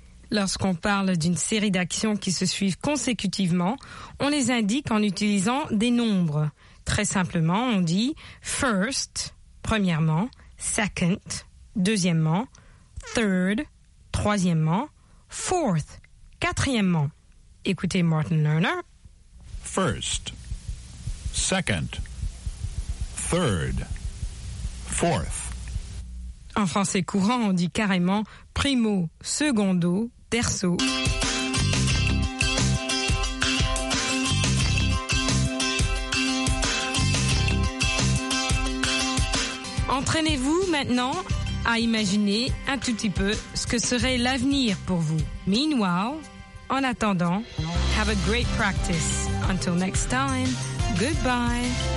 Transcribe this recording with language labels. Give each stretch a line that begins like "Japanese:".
French: Lorsqu'on parle d'une série d'actions qui se suivent consécutivement, on les indique en utilisant des nombres. Très simplement, on dit first, premièrement, second, deuxièmement, third, troisièmement, fourth, quatrièmement. Écoutez Martin Lerner.
English: First, second, third, fourth.
French: En français courant, on dit carrément primo, secondo, terzo. Entraînez-vous maintenant à imaginer un tout petit peu ce que serait l'avenir pour vous.
English: Meanwhile,
French: en attendant,
English: have a great practice. Until next time, goodbye.